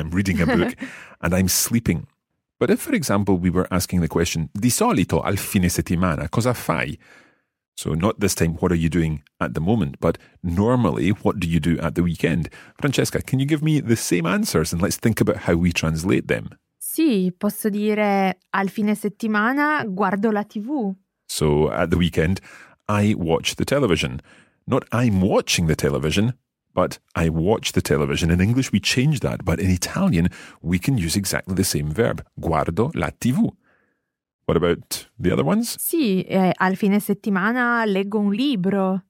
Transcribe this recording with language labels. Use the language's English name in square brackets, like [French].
[English] I'm reading a book and I'm sleeping. But if, for example, we were asking the question, [Italian] di solito al fine settimana, cosa fai? [English] So not this time, what are you doing at the moment? But normally, what do you do at the weekend? Francesca, can you give me the same answers and let's think about how we translate them? [Italian] Sì, posso dire al fine settimana guardo la TV. [English] So at the weekend, I watch the television. Not I'm watching the television, but I watch the television. In English, we change that, but in Italian, we can use exactly the same verb, [Italian] guardo la TV. [English] What about the other ones? [Italian] Sì, al fine settimana leggo un libro.